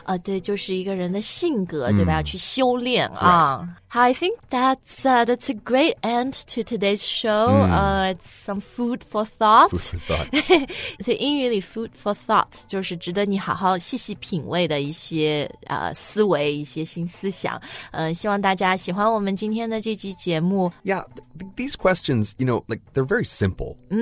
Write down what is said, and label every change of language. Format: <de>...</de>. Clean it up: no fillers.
<zh>对，就是一个人的性格，对吧？要去修炼啊。</zh> <en>I think that's a great end to today's show. It's some food for thought. Food for thought.</en> <zh>So 英语里</zh> <en>food for thought</en> <zh>就是值得你好好细细品味的一些思维，一些新思想。希望大家喜欢我们今天的这期节目。</zh> <en>Yeah, these questions, you know, like they're very simple.</en>